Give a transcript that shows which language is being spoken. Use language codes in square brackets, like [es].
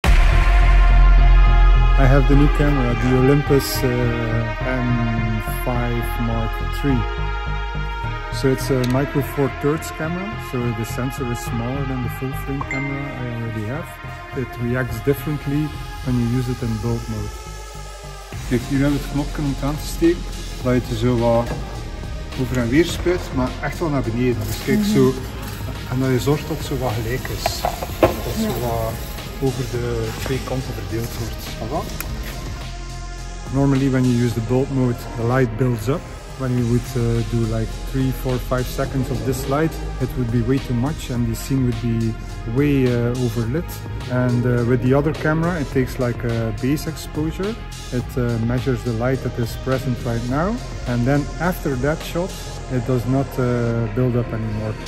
[en] I have the new camera, the Olympus M5 Mark III. So it's a micro four thirds camera, so the sensor is smaller than the full frame camera I already have. It reacts differently when you use it in bulk mode. [nl] Kijk, hier hebben we het knopje om het aan te steken, dat je het zo wat over en weer spuit, maar echt wel naar beneden. Dus kijk zo, en dat je zorgt dat het zo wat gelijk is. Dat zo wat over de twee kanten verdeeld wordt. [en] Normally when you use the bulk mode, the light builds up. When you would do like 3, 4, 5 seconds of this light, it would be way too much and the scene would be way overlit. And with the other camera, it takes like a base exposure. It measures the light that is present right now. And then after that shot, it does not build up anymore.